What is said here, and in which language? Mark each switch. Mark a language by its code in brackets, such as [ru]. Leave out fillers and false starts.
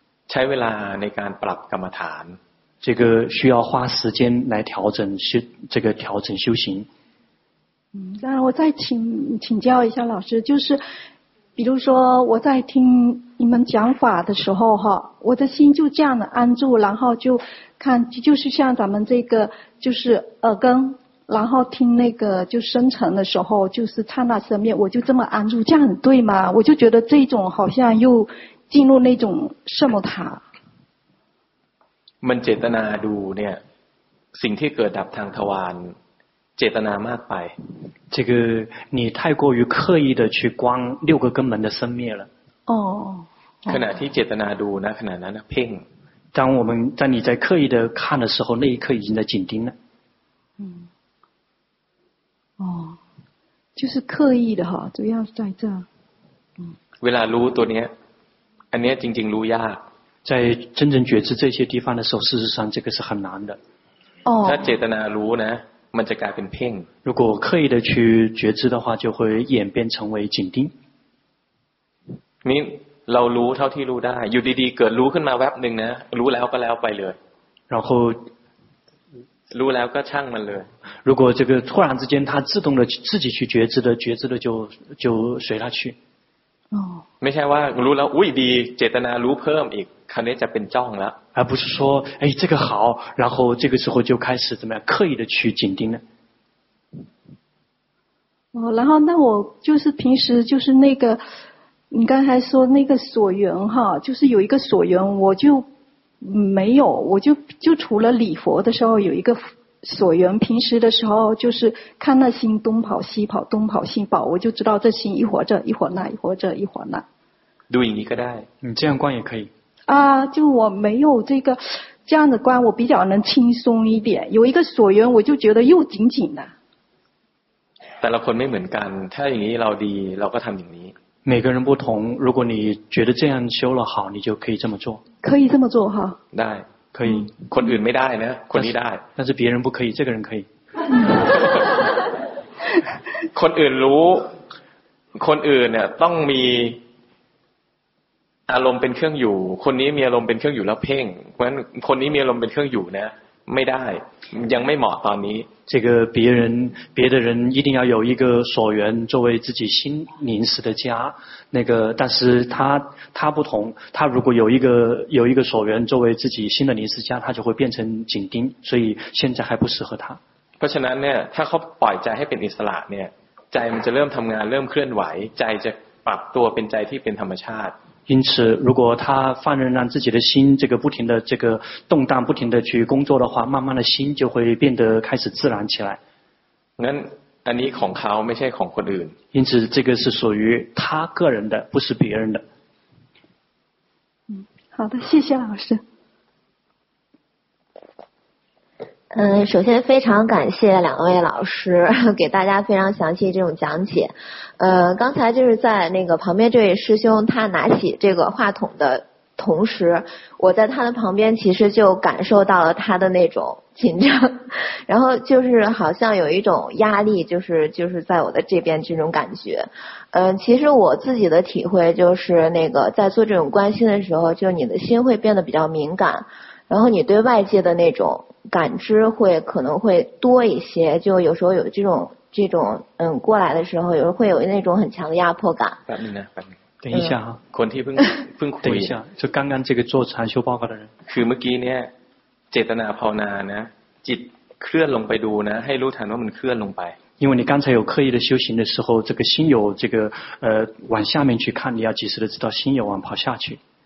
[th] ใช้เวลาในการปรับกรรมฐาน [zh] 这个需要花时间来调整修这个调整修行那我再请教一下老师就是比如说我在听你们讲法的时候我的心就这样的安住然后就看就是像咱们这个就是耳根然后听那个就生成的时候就是刹那生灭我就这么安住这样很对吗我就觉得这种好像又进入那种奢摩他 [th] มันเจตนาดูเนี่ยสิ่งที่เกิดดับทางทวารเจตนามากไป [zh] 这个你太过于刻意的去观六个根本的生灭了 [th] ขณะที่เจตนาดูนะขณะนั้นเพ่ง [zh] 当我们在你在刻意的看的时候那一刻已经在紧盯了就是刻意的哈主要在这 [th] เวลารู้ตัวเนี้ยอันเนี้ยจริงๆรู้ยาก [zh] 在真正觉知这些地方的时候，事实上这个是很难的。哦。 [th] ถ้าเจตนารู้นะ，มันจะกลายเป็นเพ่ง。 [zh] 如果刻意的去觉知的话，就会演变成为紧盯。 [th] นี่เรารู้เท่าที่รู้ได้อยู่ดีๆเกิดรู้ขึ้นมาแวบหนึ่งนะ，รู้แล้วก็แล้วไปเลย。 [zh] 然后。 [th] รู้แล้วก็ช่างมันเลย。 [zh] 如果这个突然之间他自动的自己去觉知的，觉知的就随他去。 [th] ไม่ใช่ว่ารู้แล้วอุ้ยดีเจตนารู้เพิ่มอีกคราวนี้จะเป็นจ้องแล้ว [zh] 而不是说哎这个好然后这个时候就开始怎么样刻意的去紧盯了然后那我就是平时就是那个你刚才说那个所缘就是有一个所缘我就没有，我就除了礼佛的时候有一个所缘，平时的时候就是看那心东跑西跑，东跑西跑，我就知道这心一会儿这一会儿那，一会儿这一会儿那。录影一个带，你这样观也可以。啊，就我没有这个这样的观，我比较能轻松一点。有一个所缘，我就觉得又紧紧的。 [th] แต่ละคนไม่เหมือนกัน ถ้าอย่างนี้เราดี เราก็ทำอย่างนี้ [zh] 每个人不同，如果你觉得这样修了好，你就可以这么做。可以这么做哈。 [th] ได้ [zh] 可以。 [th] คนอื่นไม่ได้นะคนนี้ได้ [zh] 但是别人不可以，这个人可以。 [th] คนอื่นรู้คนอื่นเนี่ยต้องมีอารมณ์เป็นเครื่องอยู่คนนี้มีอารมณ์เป็นเครื่องอยู่แล้วเพ่งเพราะฉะนั้นคนนี้มีอารมณ์เป็นเครื่องอยู่นะไม่ได้ยังไม่เหมาะตอนนี้ [zh] 这个别的人一定要有一个所缘作为自己心临时的家那个但是他不同他如果有一个所缘作为自己新的临时家他就会变成紧盯所以现在还不适合他 [th] เพราะฉะนั้นเนี่ยถ้าเขาปล่อยใจให้เป็นอิสระเนี่ยใจมันจะเริ่มทำงานเริ่มเคลื่อนไหวใจจะปรับตัวเป็นใจที่เป็นธรรมชาติ [zh] 因此如果他放任让自己的心这个不停的这个动荡不停的去工作的话慢慢的心就会变得开始自然起来 [th] งั้นอันนี้ของเขาไม่ใช่ของคนอื่น [zh] 因此这个是属于他个人的不是别人的好的谢谢老师首先非常感谢两位老师给大家非常详细这种讲解。刚才就是在那个旁边这位师兄他拿起这个话筒的同时，我在他的旁边其实就感受到了他的那种紧张，然后就是好像有一种压力，就是在我的这边这种感觉。其实我自己的体会就是那个在做这种关心的时候，就你的心会变得比较敏感，然后你对外界的那种感知会可能会多一些，就有时候有这种过来的时候，有时候会有那种很强的压迫感。等一下哈，昆提崩溃。等一下，就刚刚这个做禅修报告的人。 [th] คือเมื่อกี้เนี่ยเจตนาภาวนานะจิตเคลื่อนลงไปดูนะให้รู้ทันว่ามันเคลื่อนลงไป。 [zh] 因为你刚才有刻意的修行的时候，这个心有这个往下面去看，你要及时的知道心有往跑下去。